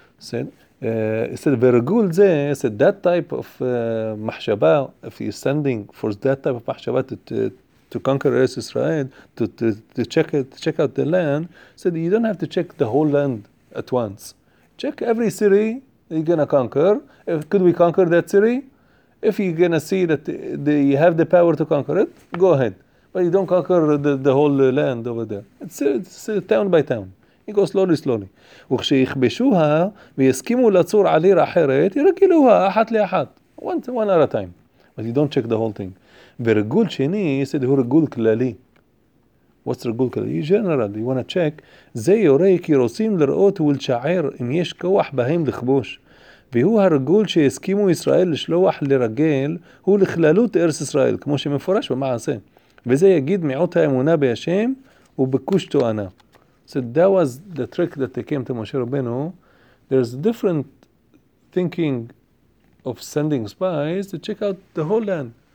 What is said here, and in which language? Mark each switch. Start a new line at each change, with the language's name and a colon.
English: He said, Virgul Zeh, he said, that type of mahshaba, if he's sending for that type of mahshaba to conquer Eretz Israel, to check out the land, said, you don't have to check the whole land at once. Check every city you're going to conquer. Could we conquer that city? If you're going to see that you have the power to conquer it, go ahead. But you don't conquer the whole land over there. It's town by town. You go slowly, slowly.
Hebrew: וכשיכבשוה ויסכימו לצור על עיר אחרת, ירגלוה אחת לאחת.
English: One at a time. But you don't check the whole thing.
Hebrew: ורגול שני,
English: he said,
Hebrew: הוא רגול כללי. What's רגול כללי?
English: General, you want to check.
Hebrew: זה יורה כי רוצים לראות ולשער אם יש כוח בהם לכבוש. והוא הרגול שיסכימו ישראל לשלוח לרגל, הוא לכללות ארץ ישראל, כמו שמפורש במעשה. וזה יגיד מעוט האמונה בישם ובקוש תואנה.
English: So that was the trick that they came to Moshe Rabbeinu. There's different thinking of sending spies to check out the whole land.